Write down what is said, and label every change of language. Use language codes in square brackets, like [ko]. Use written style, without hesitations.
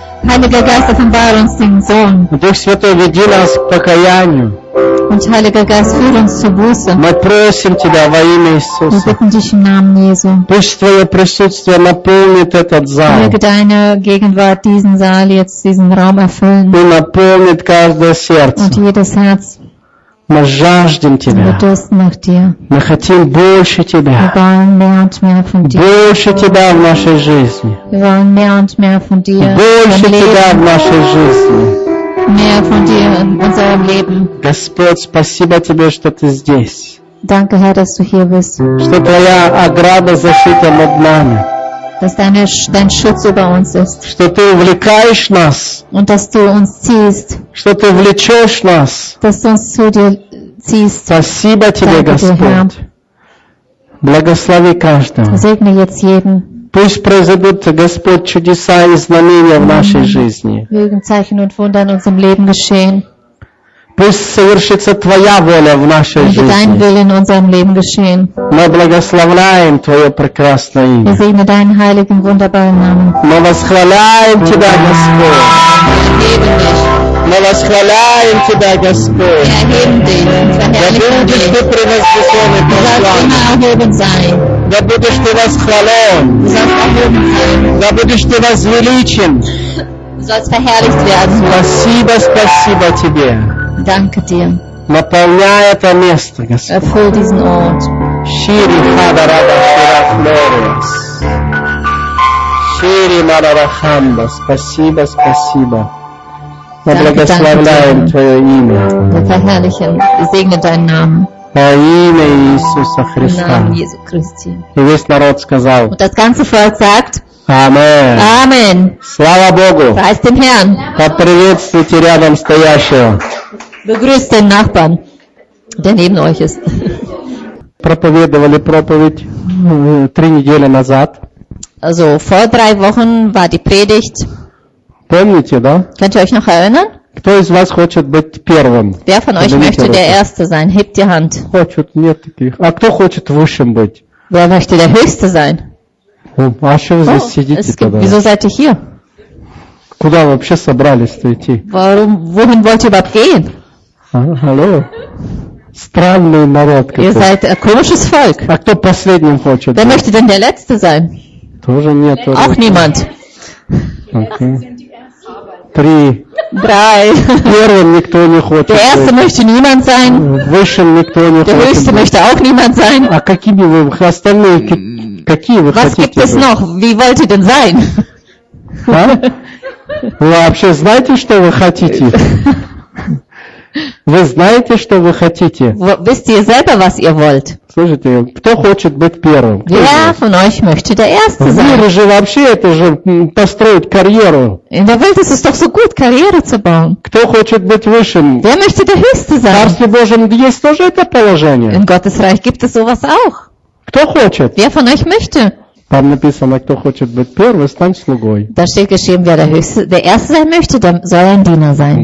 [de] Heiliger Geist, offenbar uns den Sohn. [ru] Duch Святой, веди нас к покаянию. [de] Und Heiliger Geist, führ uns zur Buße. [ru] Мы просим тебя во имя Иисуса. [de] Wir bitten dich im Namen Jesu. [ru] Пусть твое присутствие наполнит этот зал. [de] Möge deine Gegenwart diesen Saal jetzt, diesen Raum erfüllen. [ru] И наполнит каждое сердце. [de] Und jedes Herz. [ru] Мы жаждем тебя. Мы хотим больше тебя. Больше тебя в нашей жизни. Больше тебя в нашей жизни. Господь, спасибо тебе, что ты здесь. Что твоя ограда защита над нами. [de] Dass dein Schutz über uns ist. [ru] Что ты увлекаешь нас. [de] Und dass du uns ziehst. [ru] Что ты влечешь нас. [de] Dass du uns zu dir ziehst. [ru] Спасибо тебе, [de] Danke [ru] Господь. Благослови каждого. [de] Segne jetzt jeden. [ru] Пусть произойдут, Господь, чудеса и знамения в нашей жизни. [de] Mögen Zeichen und Wunder in unserem Leben geschehen. [ru] Пусть совершится Твоя воля в нашей [de] Möge [ru] жизни. [de] Dein Wille in unserem Leben geschehen. [ru] Мы благословляем Твое прекрасное имя. [de] Wir segnen deinen heiligen, wunderbaren Namen. [ru] Мы восхваляем Тебя, Господь. [de] Wir erheben dich. [ru] Мы восхваляем Тебя, Господь. [de] Wir erheben dich. [ru] Да будешь Ты превозвещен. Да будешь Ты возвеличен. Спасибо, спасибо Тебе. [de] Danke dir. [ru] Наполняй это место, Господь. [de] Erfüll diesen Ort. Шири хадарада шира флорес. Шири мадарахамба. [ru] Спасибо, спасибо. Мы благословляем Твое имя. [de] Wir verherrlichen. Wir segnen Deinen Namen. [ru] Во имя Иисуса Христа. И весь народ сказал. [de] Und das ganze Volk sagt. [ru] Аминь. [de] Amen. [ru] Слава Богу. [de] Preist dem Herrn. [ru] Поприветствуйте рядом стоящего. [de] Begrüßt den Nachbarn, der neben euch ist. [ru] Проповедовали проповедь три недели назад. [de] Also vor drei Wochen war die Predigt. [ru] Помните, да? [de] Könnt ihr euch noch erinnern? [ru] Кто из вас хочет быть первым? [de] Wer von euch möchte der Erste sein? Hebt die Hand. [ru] Хочет, нет таких. А кто хочет высшим быть? [de] Wer möchte der Höchste sein? [ru] А что вы здесь сидите тогда? [de] Wieso seid ihr hier? [ru] Куда вообще собрались-то идти? [de] Warum, wohin wollt ihr überhaupt gehen? [ru] Hallo? Странный народ какой. [de] Ihr seid ein komisches Volk. [ru] А кто последним хочет? [de] Wer möchte denn der Letzte sein? [ru] Тоже нет. [de] Auch oder? Niemand. [ru] Okay. Три. [de] Drei. [ru] Первым никто не хочет. [de] Der Erste möchte niemand sein. [ru] Высшим никто не хочет. [de] Der Höchste möchte auch niemand sein. [ru] А какими вы остальные, какие вы [de] хотите? Was gibt es noch? Wie wollt ihr denn sein? [ru] Вы вообще знаете, что вы хотите? Вы знаете, что вы хотите? [de] Wisst ihr selber, was ihr wollt? [ru] Слушайте, кто хочет быть первым? [de] Wer von euch möchte der Erste sein? [ru] Мир же вообще, это же построить карьеру. [de] In der Welt ist es doch so gut, Karriere zu bauen. [ru] Кто хочет быть высшим? [de] Wer möchte der Höchste sein? [ru] В Царстве Божьем есть тоже это положение. [de] In Gottes Reich gibt es sowas auch. [ru] Кто хочет? [de] Wer von euch möchte? [ru] Там написано, кто хочет быть первым, стань слугой. [de] Da steht geschrieben, wer der Höchste, der Erste sein möchte, der soll ein Diener sein.